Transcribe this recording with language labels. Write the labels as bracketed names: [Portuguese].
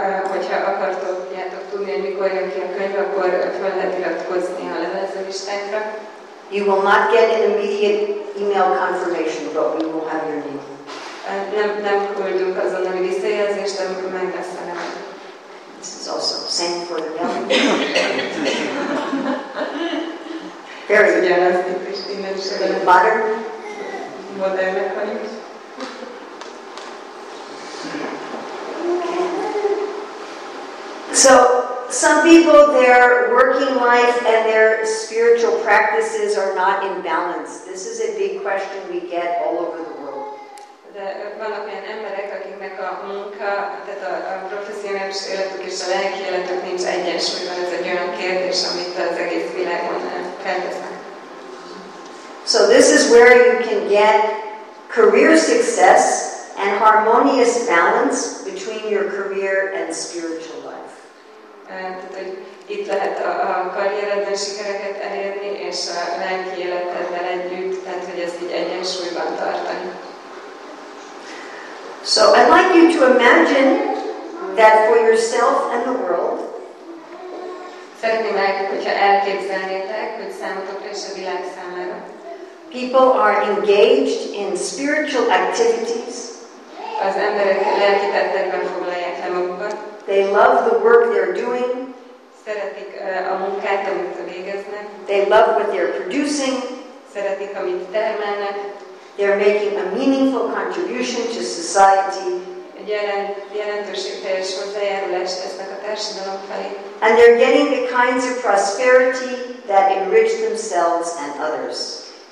[Hungarian] Hogyha akartok tudni, hogy mikor jön ki a könyv, akkor fel lehet iratkozni a levelező listánkra. [English] You will not get an immediate email confirmation, but we will have your name. [Hungarian] Nem küldünk azonnali visszajelzést, de amikor meg lesz a neved. [English] This is also the same for the young. Very modern. Okay. So, some people, their working life and their spiritual practices are not in balance. This is a big question we get all over the world. [Hungarian] De vannak olyan emberek, akiknek a munka, tehát a professzionális életük és a lelki életük nincs egyensúlyban. Ez egy olyan kérdés, amit az egész világon feltesznek. [English] So this is where you can get career success and harmonious balance between your career and spiritual life. [Hungarian] Tehát, hogy itt lehet a karrieredben sikereket elérni és a lelki életeddel együtt, tehát hogy ezt így egyensúlyban tartani. [English] So I'd like you to imagine that for yourself and the world. [Hungarian] Szeretném, hogyha elképzelnétek, hogy számotokra és a világ számára. [English] People are engaged in spiritual activities. [Hungarian] Az emberek lelki tettekben foglalják le magukat. [English] They love the work they're doing. [Hungarian] Szeretik a munkát, amit végeznek. [English] They love what they're producing. [Hungarian] Szeretik, amit termelnek. [English] They are making a meaningful contribution to society. And they are getting the kinds of prosperity that enrich themselves and others.